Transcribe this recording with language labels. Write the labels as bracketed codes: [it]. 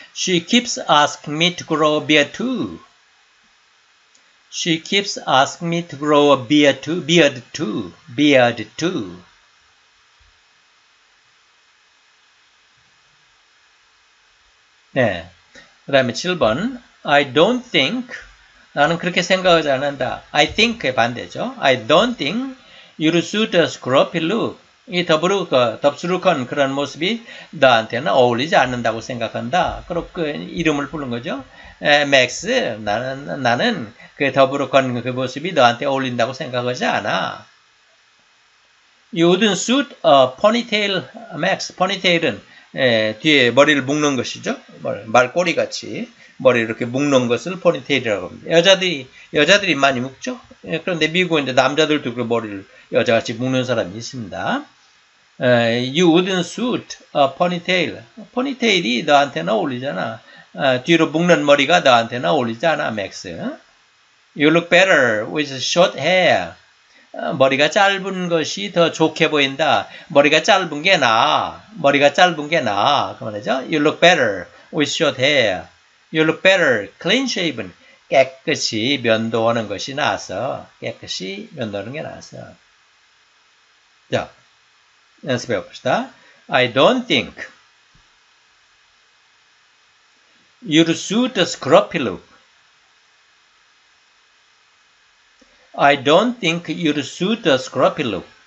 [en] She keeps asking me to grow a beard too. She keeps asking me to grow a beard too. Beard too. Beard too. [ko] 네. 그 다음에 7번. [en] I don't think. [ko] 나는 그렇게 생각하지 않는다. [en] I think [ko] 의 반대죠. [en] I don't think you'll suit a scruffy look. [ko] 이 덥수룩한 그런 모습이 너한테는 어울리지 않는다고 생각한다. 그렇게 이름을 부른 거죠. 맥스, 나는 그 더부룩한 그 모습이 너한테 어울린다고 생각하지 않아. [en] You wouldn't suit a ponytail, Max. Ponytail은 [ko] 뒤에 머리를 묶는 것이죠. 말꼬리 같이 머리를 이렇게 묶는 것을 포니테일이라고 합니다. 여자들이 많이 묶죠. 그런데 미국은 이제 남자들도 그 머리를 여자같이 묶는 사람이 있습니다. [en] You wouldn't suit a ponytail. [ko] 포니테일이 너한테는 어울리잖아. 뒤로 묶는 머리가 너한테는 어울리잖아, 맥스. [en] You look better with short hair. [ko] 머리가 짧은 것이 더 좋게 보인다. 머리가 짧은 게 나아. 머리가 짧은 게 나아. 그 말이죠. [en] You look better with short hair. You look better clean shaven. [ko] 깨끗이 면도하는 것이 나아서. 깨끗이 면도하는 게 나아서. 자, 연습해 봅시다. [en] I don't think you'd suit a scruffy look. I don't think you'd suit a scruffy look.